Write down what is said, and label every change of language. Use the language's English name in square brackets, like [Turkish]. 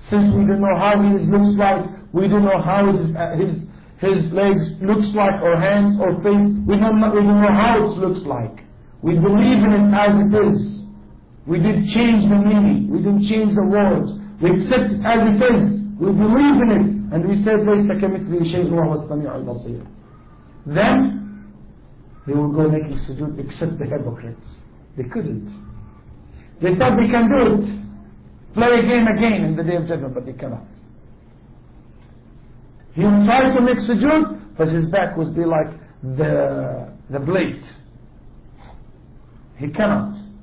[English] Since we don't know how his looks like, we don't know how his legs looks like, or hands, or face, we don't know how it looks like. We believe in it as it is. We didn't change the meaning. We didn't change the words. We accept it as it is. We believe in it. And we said, [Arabic] لَيْتَ كَمِثْلِ شَيْءٍ وَهُوَ السَّمِيعُ الْبَصِيرُ. [English] Then, they will go making sujood, except the hypocrites. They couldn't. They thought they can do it. Play a game again in the Day of Judgment, but they cannot. He tried to make sujood, but his back would be like the blade. He cannot.